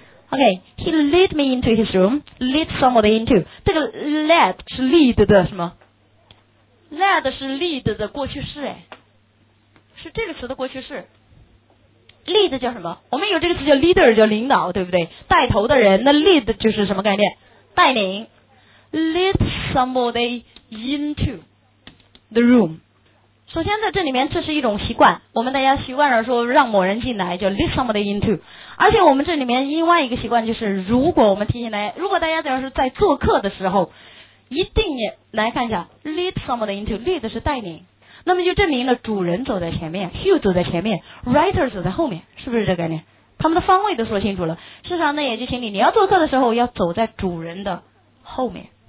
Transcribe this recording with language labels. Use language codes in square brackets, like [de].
[en] Okay, he led me into his room. Lead somebody into. [zh] 这个 led 是 lead 的什么 ？Led 是 lead 的过去式哎，是这个词的过去式。 Lead 叫什么？我们有这个词叫 leader， 叫领导，对不对？带头的人。那 lead 就是什么概念？带领。 [en] Lead somebody into the room. [zh] 首先在这里面这是一种习惯我们大家习惯上说让某人进来就 [en] lead somebody into [zh] 而且我们这里面另外一个习惯就是如果我们提醒大家如果大家要是在做客的时候一定也来看一下 lead somebody into lead 是带领那么就证明了主人走在前面 Hugh 走在前面 writer 走在后面是不是这个概念他们的方位都说清楚了事实上那也就请你要做客的时候要走在主人的后面